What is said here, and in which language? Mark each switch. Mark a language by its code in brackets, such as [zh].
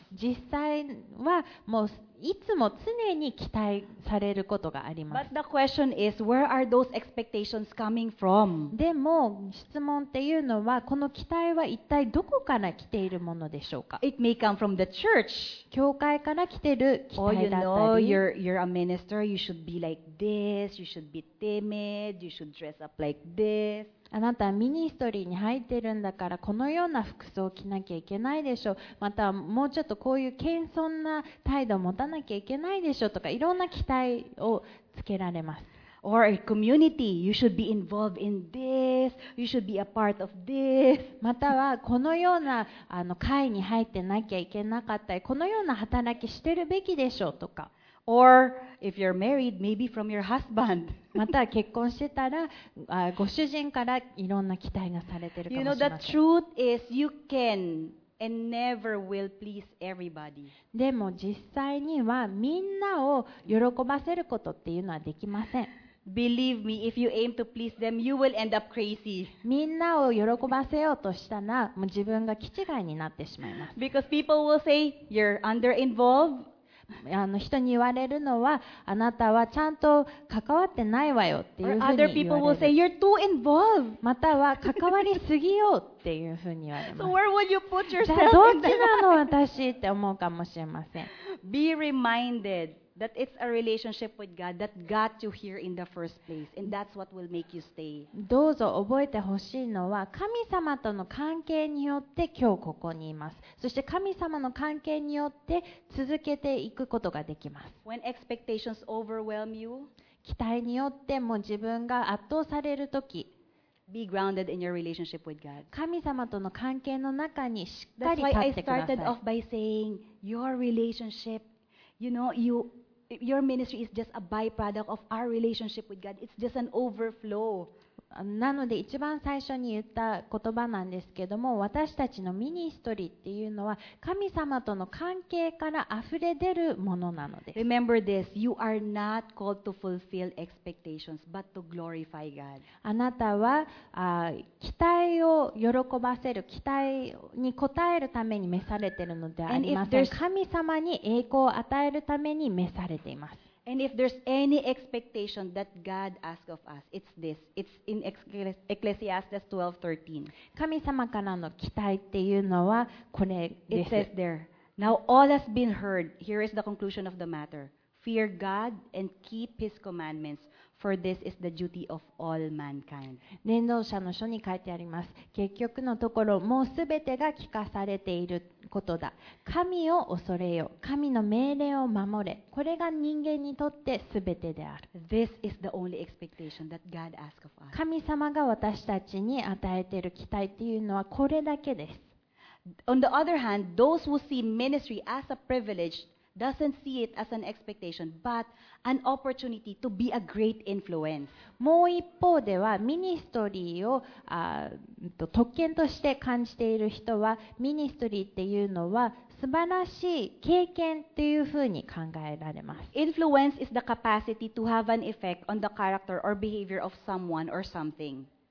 [ja] 実際はもういつも常に期待されることがあります。 [en] But the question is, where are those expectations coming from? [ja] でも質問っていうのはこの期待は一体どこから来ているものでしょうか? [en] It may come from the church. [ja] 教会から来てる期待だったり、 [en] oh, you know, you're a minister, you should be like this, you should be timid, you should dress up like this. [ja] あなたはミニストリーに入ってるんだからこのような服装を着なきゃいけないでしょう。またもうちょっとこういう謙遜な態度を持たなきゃいけないでしょうとか、いろんな期待をつけられます。 [en] Or a community. You should be involved in this. You should be a part of this. [ja] またはこのような会に入ってなきゃいけなかったり、このような働きしてるべきでしょうとか。 [en] Or if you're married, maybe from your husband. [ja] また結婚してたらご主人からいろんな期待がされてるかもしれません。 [en] You know, the truth is you can. And never will please everybody. [ja] でも実際にはみんなを喜ばせることっていうのはできません。 [en] Believe me, if you aim to please them, you will end up crazy. [ja] みんなを喜ばせようとしたら、もう自分が気違いになってしまいます。 [en] Because people will say you're underinvolved. [ja] 人に言われるのは、あなたはちゃんと関わってないわよっていうふうに言われる。 [en] Or other people will say you're too involved. [ja] または関わりすぎよ。っていうふうに言われます。 [en] So where will you put yourself? [ja] どっちなの私って思うかもしれません。 [en] Be reminded that it's a relationship with God that got you here in the first place, and that's what will make you stay. [ja] どうぞ覚えてほしいのは、神様との関係によって今日ここにいます。そして神様の関係によって続けていくことができます。 [en] When expectations overwhelm you, [ja] 期待によっても自分が圧倒されるとき。 [en] Be grounded in your relationship with God. [ja] 神様との関係の中にしっかり立ってください。 [en] That's why I started off by saying your relationship, you know, your ministry is just a byproduct of our relationship with God. It's just an overflow. [ja] なので一番最初に言った言葉なんですけども、私たちのミニストリーっていうのは神様との関係から溢れ出るものなのです。 [en] Remember this, you are not called to fulfill expectations, but to glorify God. [ja] あなたは期待を喜ばせる、期待に応えるために召されているのではありません。神様に栄光を与えるために召されています。 [en] And if there's any expectation that God asks of us, it's this. It's in Ecclesiastes 12:13. [ja] 神様からの期待っていうのはこれです。 [en] It says there. Now all has been heard. Here is the conclusion of the matter. Fear God and keep His commandments, for this is the duty of all mankind. [ja] 伝道者の書に書いてあります。結局のところもうすべてが聞かされている。ことだ。神を恐れよ。神の命令を守れ。これが人間にとって全てである。 [en] This is the only expectation that God asks of us. [ja] 神様が私たちに与えている期待っていうのはこれだけです。 [en] On the other hand, those who see ministry as a privilege doesn't see it as an expectation, but an opportunity to be a great influence. [ja] もう一方ではミニストリーを特権として感じている人はミニストリーっていうのは素晴らしい経験というふうに考えられます。 [en] Influence is the capacity to have an effect on the character or behavior of someone or something.